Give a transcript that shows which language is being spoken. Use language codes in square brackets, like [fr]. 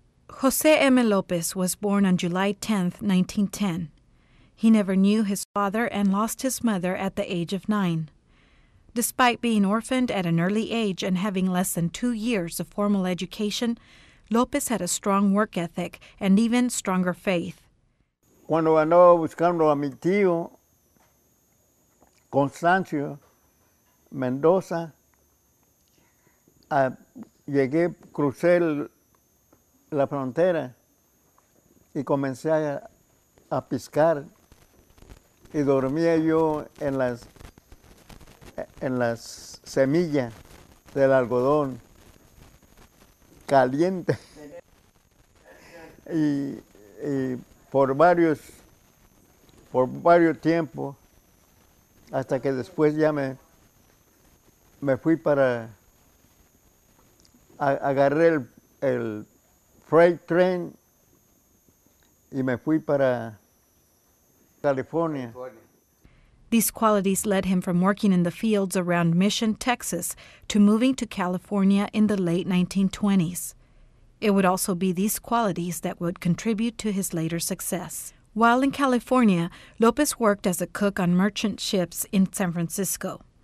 [en] Jose M. Lopez was born on July 10, 1910. He never knew his father and lost his mother at the age of 9. Despite being orphaned at an early age and having less than 2 years of formal education, Lopez had a strong work ethic and even stronger faith. [es] Cuando ando buscando a mi tío, Constancio Mendoza, llegué, crucé la frontera y comencé a piscar. Y dormía yo en las semillas del algodón caliente. Y por varios tiempos, hasta que después ya me fui para, agarré el freight train y me fui para California. [en] These qualities led him from working in the fields around Mission, Texas, to moving to California in the late 1920s. It would also be these qualities that would contribute to his later success. While in California, Lopez worked as a cook on merchant ships in San Francisco.